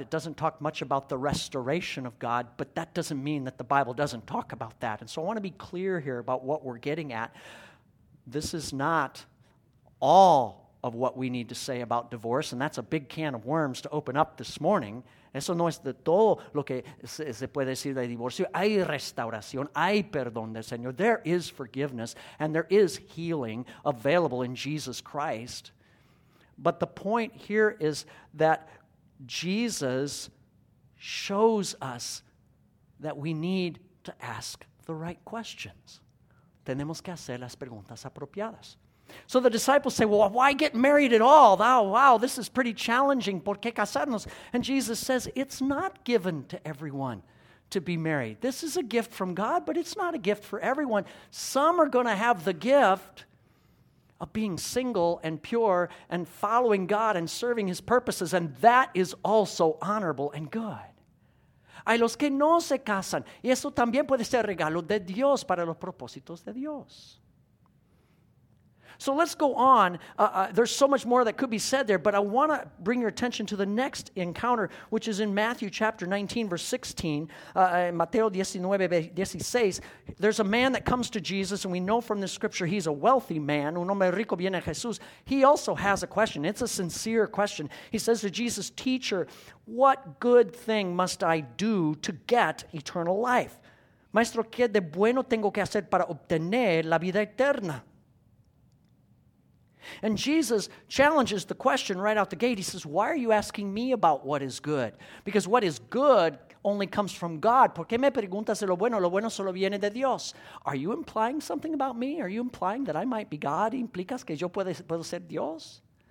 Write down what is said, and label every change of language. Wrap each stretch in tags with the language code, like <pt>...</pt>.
<en>It doesn't talk much about the restoration of God, but that doesn't mean that the Bible doesn't talk about that. And so I want to be clear here about what we're getting at. This is not all of what we need to say about divorce, and that's a big can of worms to open up this morning.</en> <es>Eso no es de todo lo que se puede decir de divorcio. Hay restauración, hay perdón del Señor.</es> <en>There is forgiveness, and there is healing available in Jesus Christ. But the point here is that Jesus shows us that we need to ask the right questions.</en> <es>Tenemos que hacer las preguntas apropiadas.</es> <en>So the disciples say, well, why get married at all? Oh, wow, this is pretty challenging.</en> <es>¿Por qué casarnos?</es> <en>And Jesus says, it's not given to everyone to be married. This is a gift from God, but it's not a gift for everyone. Some are going to have the gift of being single and pure and following God and serving His purposes, and that is also honorable and good.</en> <es>Hay los que no se casan, y eso también puede ser regalo de Dios para los propósitos de Dios.</es> <en>So let's go on. There's so much more that could be said there, but I want to bring your attention to the next encounter, which is in Matthew chapter 19, verse 16. Mateo 19, 16. There's a man that comes to Jesus, and we know from the scripture he's a wealthy man.</en> <es>Un hombre rico viene a Jesús.</es> <en>He also has a question. It's a sincere question. He says to Jesus, teacher, what good thing must I do to get eternal life?</en> <es>Maestro, ¿qué de bueno tengo que hacer para obtener la vida eterna?</es> <en>And Jesus challenges the question right out the gate. He says, why are you asking me about what is good? Because what is good only comes from God?</en> <es>¿Por qué me preguntas de lo bueno? Lo bueno solo viene de Dios.</es> <en>Are you implying something about me? Are you implying that I might be God?</en> <es>¿Implicas que yo puedo ser Dios?</es>